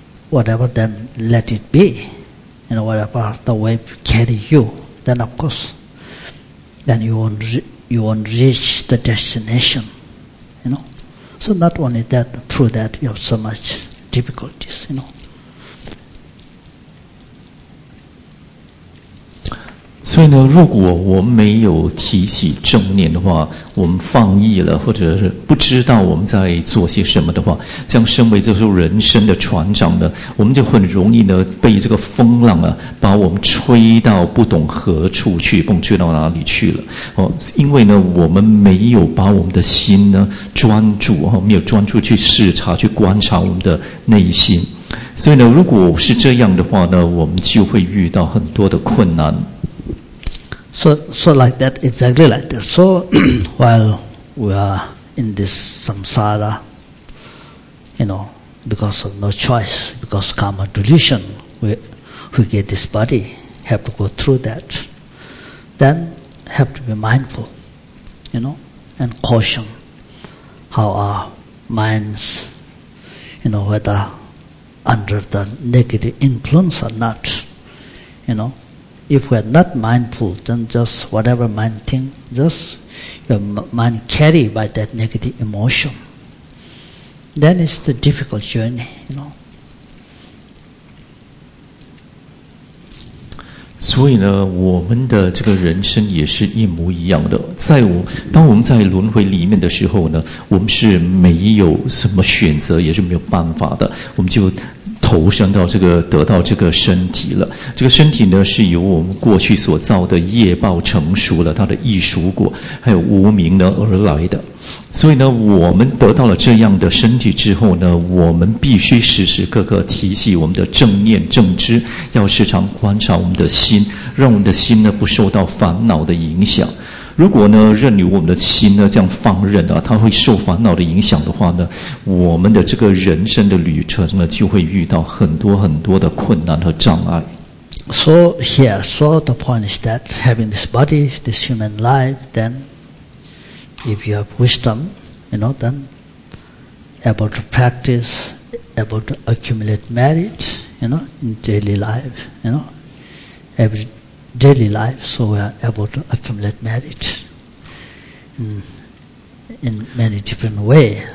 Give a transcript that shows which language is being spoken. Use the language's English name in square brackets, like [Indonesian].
[English] Whatever, then let it be. You know, whatever the wave carry you, then of course, then you won't reach the destination. You know, so not only that, through that you have so much difficulties. You know. [Chinese] So, 呢，如果我们没有提起正念的话，我们放逸了，或者是不知道我们在做些什么的话，像身为这艘人生的船长呢，我们就很容易呢被这个风浪啊把我们吹到不懂何处去，不知道哪里去了。因为呢，我们没有把我们的心呢专注没有专注去视察、去观察我们的内心。所以呢，如果是这样的话呢，我们就会遇到很多的困难。 [English] So like that, exactly like that. So while we are in this samsara, you know, because of no choice, because karma delusion, we get this body, have to go through that. Then have to be mindful, you know, and caution how our minds, you know, whether under the negative influence or not, you know. If we are not mindful, then just whatever mind thing, just your mind carried by that negative emotion, then it's the difficult journey, you know. [Chinese] 所以呢，我们的这个人生也是一模一样的。当我们在轮回里面的时候呢，我们是没有什么选择，也是没有办法的，我们就投身到这个得到这个身体了。这个身体呢是由我们过去所造的业报成熟了，它的易熟果还有无明呢而来的。所以呢，我们得到了这样的身体之后呢，我们必须时时刻刻提起我们的正念正知，要时常观察我们的心，让我们的心呢不受到烦恼的影响。如果呢任由我们的心呢这样放任啊，它会受烦恼的影响的话呢，我们的这个人生的旅程呢就会遇到很多很多的困难和障碍。 [English] So here, so the point is that having this body, this human life, then if you have wisdom, you know, then able to practice, able to accumulate merit, you know, in daily life, you know, every daily life, so we are able to accumulate merit in many different ways.